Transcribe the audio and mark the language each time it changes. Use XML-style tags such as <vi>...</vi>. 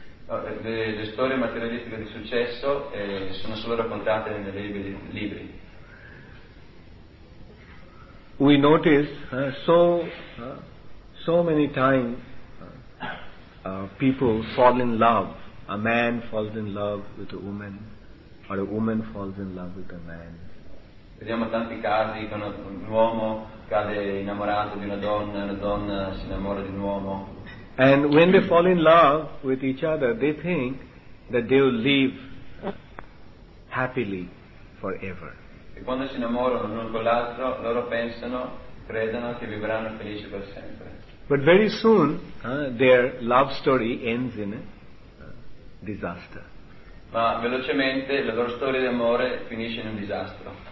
<it>Le storie materialistiche di successo sono solo raccontate nei libri.</it> <en>We notice so many times people fall in love. A man falls in love with a woman, or a woman falls in love with a man.</en> <it>Vediamo tanti casi quando un uomo cade innamorato di una donna, una donna si innamora di un uomo.</it> <en>And when they fall in love with each other, they think that they will live happily forever.</en> <it>E quando si innamorano l'uno con l'altro, loro pensano, credono che vivranno felici per sempre.</it> <en>But very soon, their love story ends in a disaster.</en> <it>Ma velocemente la loro storia d'amore finisce in un disastro.</it>